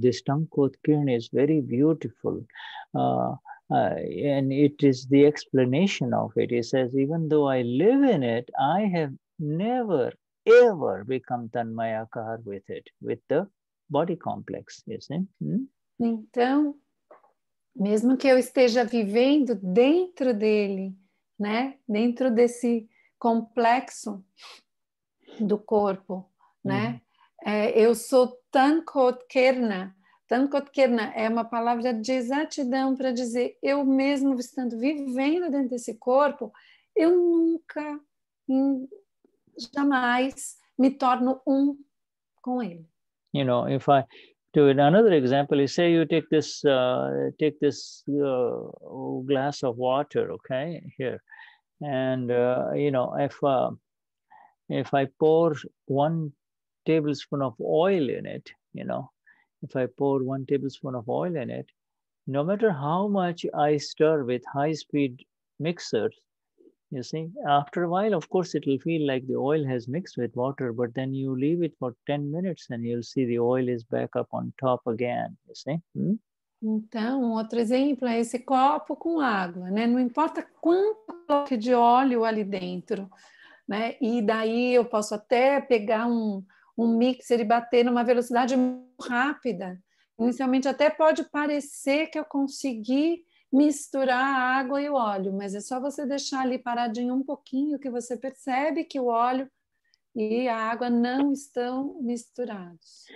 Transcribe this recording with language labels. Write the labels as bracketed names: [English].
[English] This Tankotkirna is very beautiful. And it is the explanation of it. He says, even though I live in it, I have never, ever become Tanmayakar with it, with the body complex, you see? [Portuguese] Então, mesmo que eu esteja vivendo dentro dele, né? Dentro desse complexo do corpo, né? Eu sou Tankotkirna. Tankotkirna é uma palavra de exatidão para dizer eu mesmo estando vivendo dentro desse corpo, eu nunca, jamais me torno um com ele. [English] You know, if I do another example, you say you take this glass of water, okay, here, and you know, if I pour one tablespoon of oil in it, you know, if I pour one tablespoon of oil in it, no matter how much I stir with high-speed mixers, you see, after a while, of course, it will feel like the oil has mixed with water, but then you leave it for 10 minutes and you'll see the oil is back up on top again, you see. [Portuguese] Então, um outro exemplo é esse copo com água, né? Não importa quanto coloque de óleo ali dentro, né? E daí eu posso até pegar um mixer e bater numa velocidade muito rápida. Inicialmente até pode parecer que eu consegui misturar a água e o óleo, mas é só você deixar ali paradinho um pouquinho que você percebe que o óleo e a água não estão misturados.